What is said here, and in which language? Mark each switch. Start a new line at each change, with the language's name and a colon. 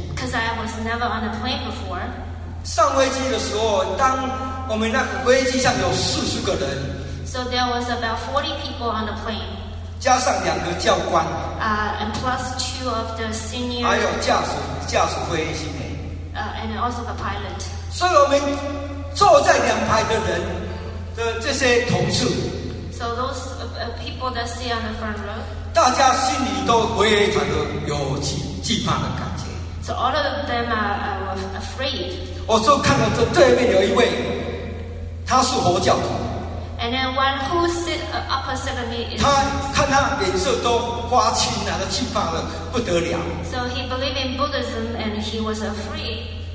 English: because I was never on a plane before.
Chinese: 上飞机的时候, 当我们那个飞机上有40个人,
English: so there was about 40 people on the plane.
Chinese: 加上两个教官,
English: and plus two of the senior,
Chinese: 还有驾驶飞行员,
English: and also the pilot.
Chinese: 所以我们坐在两排的人的这些同事,
English: so those people that sit on the front row,
Chinese: 大家心里都非常的有惧怕的感觉。
English: So all of them were afraid.
Chinese: 我就看到这对面有一位, 他是佛教徒。
English: And then one who sit opposite of me is
Chinese: 他看他脸色都发青了，他气怕了不得了。
English: So he believed in Buddhism and he was afraid.